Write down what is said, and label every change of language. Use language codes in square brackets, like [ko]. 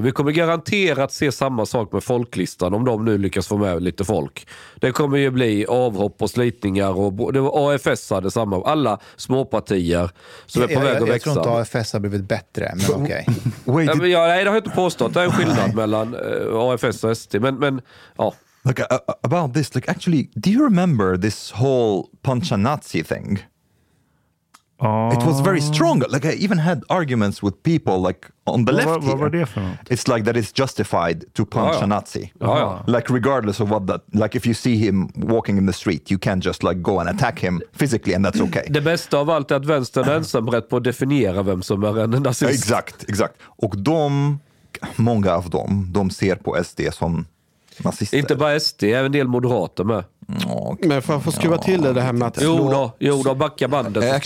[sv] Vi kommer garanterat se samma sak med folklistan om de nu lyckas få med lite folk. Det kommer ju bli avhopp och slitningar och det var AFS hade samma. Alla småpartier som är på väg att växa. Jag tror inte AFS har blivit bättre, men okej. [en] Okay. [sv] Ja, nej, det har jag inte påstått. Det är en skillnad mellan AFS och SD. Men ja. [en] Like, about this, like actually, do you remember this whole puncha Nazi thing? It was very strong. Like I even had arguments with people like on the left. What were they for? It's like that it's justified to punch a Nazi. Like regardless of what that, like if you see him walking in the street, you can't just like go and attack him physically and that's okay. [sv] Det bästa av allt är att vänstern ensamrätt på att definiera vem som är en nazist. Exakt, exakt. Och de, många av dem, de ser på SD som nazister. Inte bara SD, även en del moderater med. [en] Okay. [sv] Men för att få skruva till det här med att Jo då, backa bandet.